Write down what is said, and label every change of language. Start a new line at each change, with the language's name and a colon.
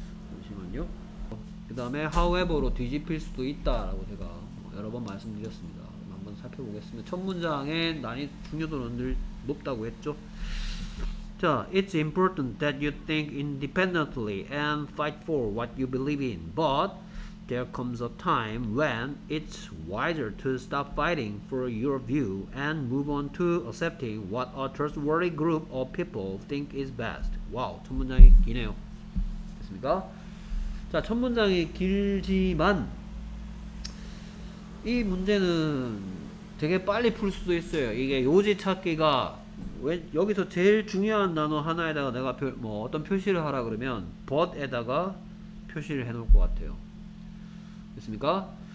Korean: 잠시만요. 그 다음에 however로 뒤집힐 수도 있다라고 제가 여러 번 말씀드렸습니다. 한번 살펴보겠습니다. 첫 문장에 중요도는 늘 높다고 했죠.
English: 자, it's important that you think independently and fight for what you believe in. But there comes a time when it's wiser to stop fighting for your view and move on to accepting what a trustworthy group of people think is best.
Korean: 와우, 첫 문장이 기네요. 됐습니까? 자, 첫 문장이 길지만 이 문제는 되게 빨리 풀 수도 있어요. 이게 요지 찾기가 왜 여기서 제일 중요한 단어 하나에다가 내가 뭐 어떤 표시를 하라 그러면 but에다가 표시를 해놓을 것 같아요. 됐습니까?